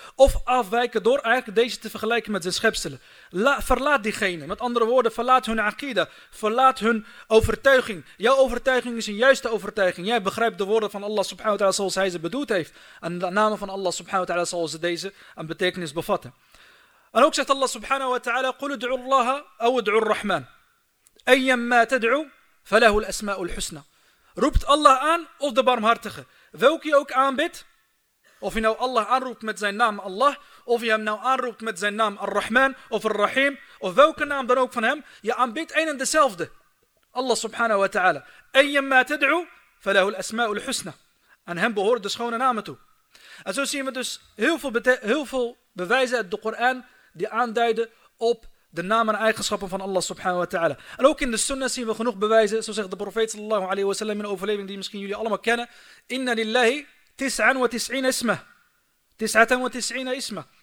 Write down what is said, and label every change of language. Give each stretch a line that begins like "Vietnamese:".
Dutch: Of afwijken door eigenlijk deze te vergelijken met zijn schepselen. Verlaat diegene. Met andere woorden, verlaat hun akida. Verlaat hun overtuiging. Jouw overtuiging is een juiste overtuiging. Jij begrijpt de woorden van Allah subhanahu wa ta'ala zoals hij ze bedoeld heeft. En de namen van Allah subhanahu wa ta'ala zoals ze deze een betekenis bevatten. En ook zegt
Arabic: Allah subhanahu wa ta'ala, قُلْ ادْعُوا اللَّهَ أَوْ ادْعُوا الرَّحْمَنَ أَيَّمَّا تَدْعُوا فَلَهُ الْأَسْمَاءُ الْحُسْنَى.
Dutch: Roept Allah aan of de barmhartige. Welke je ook aanbidt, of je nou Allah aanroept met zijn naam Allah, of je hem nou aanroept met zijn naam Ar-Rahman of Ar-Rahim, of welke naam dan ook van hem, je aanbidt een en dezelfde.
Arabic: Allah subhanahu wa ta'ala, أَيَّمَّا تَدْعُوا فَلَهُ الْأَسْمَاءُ الْحُسْنَى.
Dutch: Aan hem behoort de schone namen toe. En zo zien we dus heel veel bewijzen uit de Koran die aanduiden op de namen en eigenschappen van Allah subhanahu wa ta'ala. En ook in de sunnah zien we genoeg bewijzen. Zo zegt de profeet sallallahu alayhi wa sallam in een overleving die misschien jullie allemaal kennen.
Arabic: Inna lillahi tis'an wa tis'ina isma. Tis'atan wa tis'ina isma.